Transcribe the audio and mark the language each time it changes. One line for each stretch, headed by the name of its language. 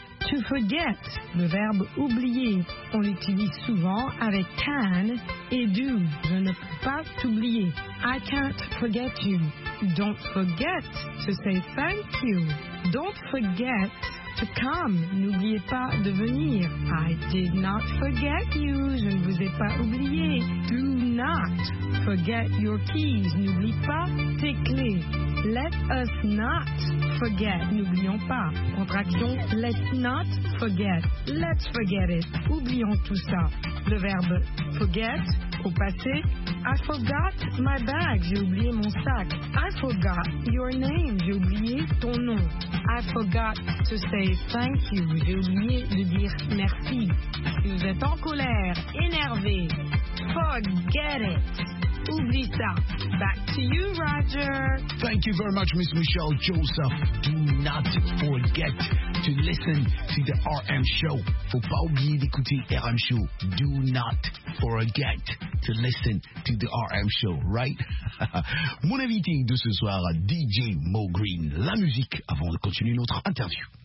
English: To forget,
French: le verbe oublier, on l'utilise souvent avec can et do. Je ne peux pas t'oublier.
English: I can't forget you. Don't forget to say thank you. Don't forget to come.
French: N'oubliez pas de venir.
English: I did not forget you.
French: Je ne vous ai pas oublié.
English: Do not forget your keys.
French: N'oublie pas tes clés.
English: Let us not forget.
French: N'oublions pas.
English: Contraction, let's not forget. Let's forget it.
French: Oublions tout ça. Le verbe forget, au passé.
English: I forgot my bag.
French: J'ai oublié mon sac.
English: I forgot your name.
French: J'ai oublié ton nom.
English: I forgot to say thank you.
French: J'ai oublié de dire merci. Si vous êtes en colère, énervé,
English: forget it.
French: Oublie ça.
English: Back to you, Roger. Thank you very much, Miss Michelle Joseph. Do not forget to listen to the RM Show.
French: Faut pas oublier d'écouter RM Show.
English: Do not forget to listen to the RM Show, right?
French: Mon invité de ce soir, DJ Mo Green. La musique avant de continuer notre interview.